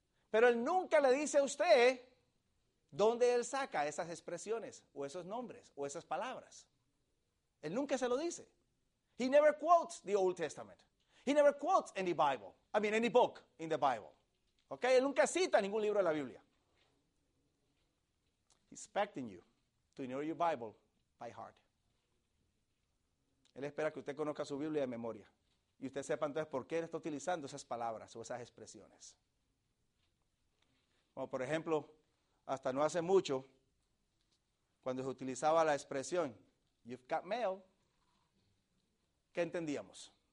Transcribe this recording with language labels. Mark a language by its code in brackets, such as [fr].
[es] Pero él nunca le dice a usted dónde él saca esas expresiones o esos nombres o esas palabras. Él nunca se lo dice. [en] He never quotes the Old Testament. He never quotes any Bible. I mean, any book in the Bible. Okay? [es] Él nunca cita ningún libro de la Biblia. [en] He's expecting you to know your Bible by heart. [es] Él espera que usted conozca su Biblia de memoria. Y usted sepa entonces por qué él está utilizando esas palabras o esas expresiones. Como por ejemplo, hasta no hace mucho, cuando se utilizaba la expresión, [en] you've got mail, [es] ¿qué entendíamos?